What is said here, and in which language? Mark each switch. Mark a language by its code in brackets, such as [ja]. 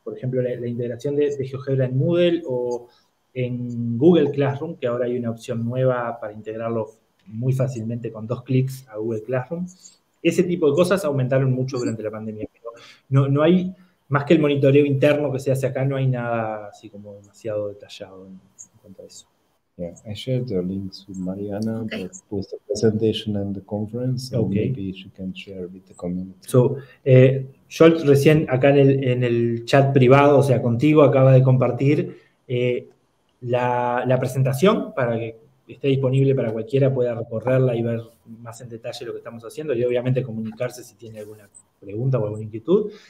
[es] Por ejemplo, la integración de GeoGebra en Moodle o en Google Classroom, que ahora hay una opción nueva para integrarlo muy fácilmente con dos clics a Google Classroom. Ese tipo de cosas aumentaron mucho durante la pandemia. Pero no hay, más que el monitoreo interno que se hace acá, no hay nada así como demasiado detallado en cuanto a eso. [en] Yeah, I shared the links with Mariana, both the presentation and the conference, and okay. Maybe she can share with the community. [es] So, Scholz recién acá en el chat privado, o sea, contigo, acaba de compartir la presentación para que esté disponible para cualquiera, pueda recorrerla y ver más en detalle lo que estamos haciendo y obviamente comunicarse si tiene alguna pregunta o alguna inquietud.